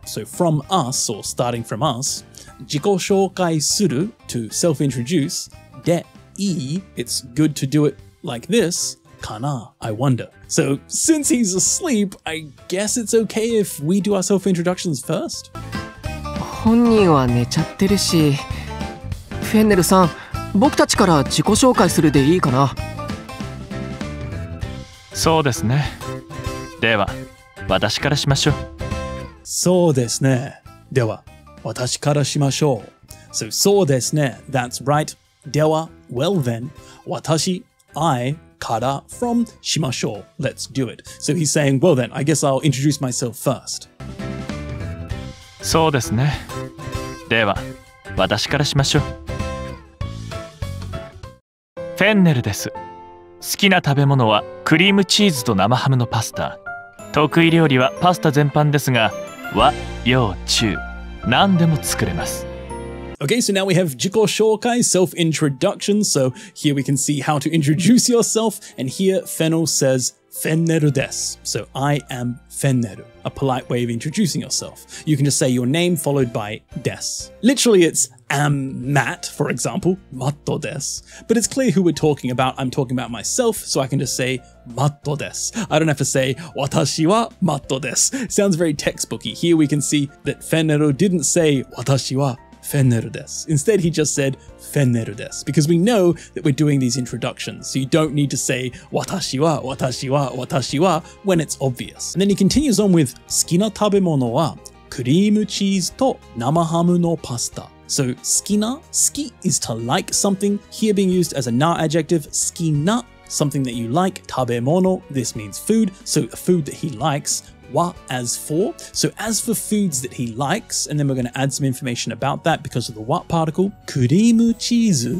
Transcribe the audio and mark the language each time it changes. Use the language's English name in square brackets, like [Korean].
[English] So from us, or starting from us. [Japanese] 自己紹介する [English] To self-introduce. [Japanese] で、いい [English] It's good to do it like this. [Japanese] かな [English] I wonder. So since he's asleep, I guess it's okay if we do our self-introductions first? [Japanese] 本人は寝ちゃってるし。 Fenneru-san, 僕たちから自己紹介するでいいかな。そうですね。では、私からしましょう。そうですね。では、私からしましょう。 [English] So, [Japanese] そうですね。 [English] That's right. では、well then, 私、I、から、from、 [Japanese] しましょう。 [English] Let's do it. So he's saying, well then, I guess I'll introduce myself first. [Japanese] そうですね。では、私からしましょう。フェンネルです。好きな食べ物はクリームチーズと生ハムのパスタ。得意料理はパスタ全般ですが、和、洋、中、何でも作れます。 [English] Okay, so now we have 自己紹介 self-introduction. So here we can see how to introduce yourself. And here Fennel says, Fenneru desu. So I am Fenneru, a polite way of introducing yourself. You can just say your name followed by desu. Literally, it's am Matt, for example, Matto desu. But it's clear who we're talking about. I'm talking about myself, so I can just say Matto desu. I don't have to say [Japanese] 私は Matto desu. [English] Sounds very textbooky. Here we can see that Fenneru didn't say [Japanese] 私はFenneru desu. [English] Instead, he just said Fenneru desu. Because we know that we're doing these introductions. So you don't need to say [Japanese] 私は私は私は [English] when it's obvious. And then he continues on with [Japanese] 好きな食べ物はクリームチーズと生ハムのパスタ。 [English] So 好きな好き is to like something. Here being used as a na adjective, 好きな something that you like. [Japanese] 食べ物 [English] this means food. So a food that he likes. Wa as for. So as for foods that he likes, and then we're going to add some information about that because of the wa particle. Kurimu cheese.